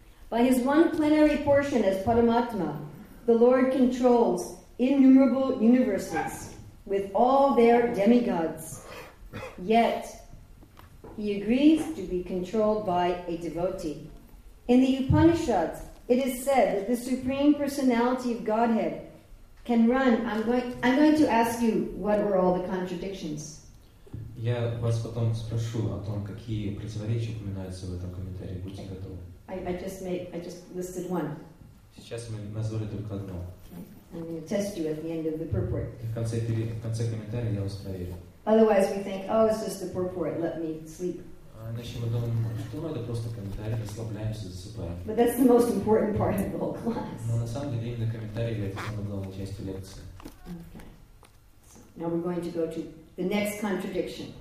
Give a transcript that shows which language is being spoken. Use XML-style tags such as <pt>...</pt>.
<en>By his one plenary portion as Paramatma, the Lord controls innumerable universes with all their demigods. Yet, he agrees to be controlled by a devotee. In the Upanishads, it is said that the Supreme Personality of Godhead can run. I'm going to ask you what were all the contradictions.</en> <ru>Я вас потом спрошу о том, какие противоречия упоминаются в этом комментарии. Будьте готовы.</ru> <en>I just listed one.</en> <ru>Сейчас мы назвали только одно.</ru> <en>I'm going to test you at the end of the purport.</en> <ru>В конце комментария я вас проверю.</ru> <en>Otherwise, we think, oh, it's just the purport. Let me sleep.</en> <ru>Иначе мы думаем, что это просто комментарий, расслабляемся, засыпаем.</ru> <en>But that's the most important part of the whole class.</en> <ru>Но на самом деле именно комментарий является самой главной частью лекции.</ru> <en>Okay. So now we're going to go to the next contradiction.</en>